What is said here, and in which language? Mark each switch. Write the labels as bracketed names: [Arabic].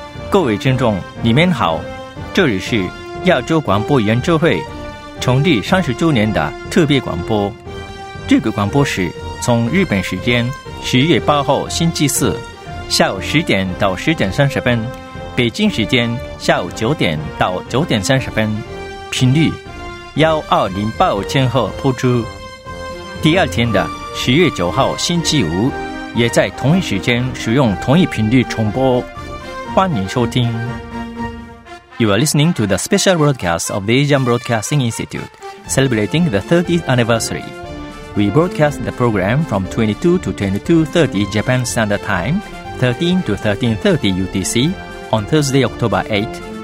[Chinese] 各位听众你们好，这里是亚洲广播研究会成立30周年的特别广播，这个广播是从日本时间10月8号星期四下午10点到10点30分，北京时间下午9点到9点30分，频率12085千赫播出。第二天的10月9号星期五也在同一时间使用同一频率重播，欢迎收听。 [English] You are listening to the special broadcast of the Asian Broadcasting Institute celebrating the 30th anniversary. We broadcast the program from 22 to 22:30 Japan Standard Time, 13 to 13:30 UTC on Thursday, October 8th.